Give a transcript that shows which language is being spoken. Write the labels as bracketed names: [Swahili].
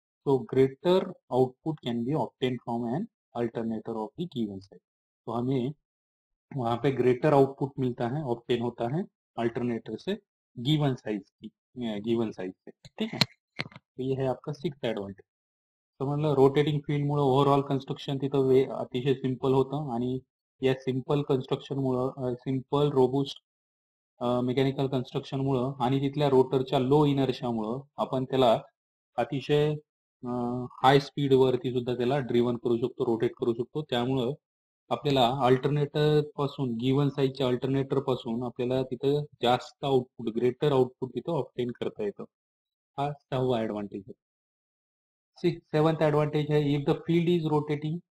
[English] So greater output can be obtain from an alternator of the given side. [Hindi] तो हमें वहां पे greater output मिलता है, ऑब्टेन होता है अल्टरनेटर से गिवन साइज से. ठीक है, तो ये है आपका सिक्स एडवांटेज. [Marathi] तो मतलब रोटेटिंग फील्ड मुळे ओव्हरऑल कंस्ट्रक्शन तिथं अतिशय सिंपल होतं, आणि या सिंपल कंस्ट्रक्शन मुळे सिंपल रोबोस्ट मेकॅनिकल कन्स्ट्रक्शन मुळे आणि तिथल्या रोटरच्या लो इनर्शियामुळे आपण त्याला अतिशय हाय स्पीड वरती सुद्धा त्याला ड्रिव्हन करू शकतो, रोटेट करू शकतो. त्यामुळं आपल्याला अल्टरनेटर पासून गिव्हन साईजच्या अल्टरनेटर पासून आपल्याला तिथं जास्त आउटपुट, ग्रेटर आउटपुट तिथं ऑप्टेन करता येतं. हा सहावा ऍडव्हान्टेज आहे. [English] Seventh advantage है if the field is rotating.